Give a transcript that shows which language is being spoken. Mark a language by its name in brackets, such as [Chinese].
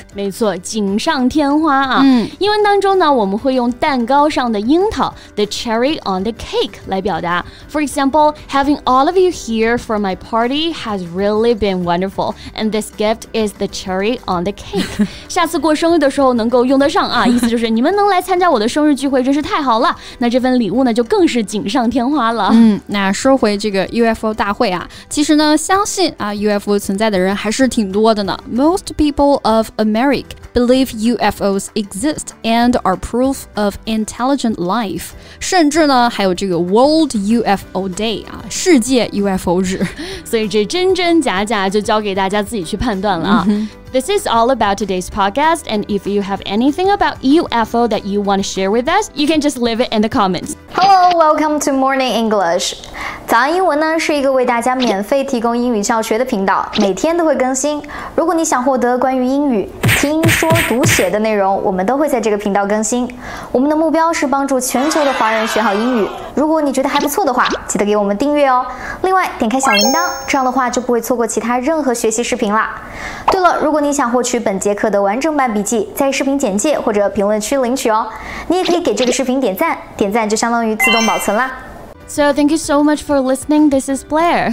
[Chinese] 没错，锦上添花啊。英文当中呢，我们会用蛋糕上的樱桃 ，the cherry on the cake 来表达。 [English] For example, having all of you here for my party has really been wonderful, and this gift is the cherry on the cake. [Chinese] 下次过生日的时候能够用得上啊，意思就是你们能来参加我的生日聚会真是太好了。那这份礼物呢，就更是锦上添花了。那说回这个 UFO 大会啊，其实呢，相信啊。 UFO 存在的人还是挺多的呢。 [English] Most people of America believe UFOs exist and are proof of intelligent life. [Chinese] 甚至呢，还有这个 World UFO Day 啊，世界 UFO 日。所以这真真假假就交给大家自己去判断了啊。 [English] This is all about today's podcast, and if you have anything about UFO that you want to share with us, you can just leave it in the comments. Hello, welcome to Morning English. [Chinese] 早安英文呢是一个为大家免费提供英语教学的频道，每天都会更新。如果你想获得关于英语听说读写的内容，我们都会在这个频道更新。我们的目标是帮助全球的华人学好英语。如果你觉得还不错的话，记得给我们订阅哦。另外，点开小铃铛，这样的话就不会错过其他任何学习视频啦。对了，如果你想获取本节课的完整版笔记，在视频简介或者评论区领取哦。你也可以给这个视频点赞，点赞就相当于自动保存啦。 [English] So thank you so much for listening. This is Blair.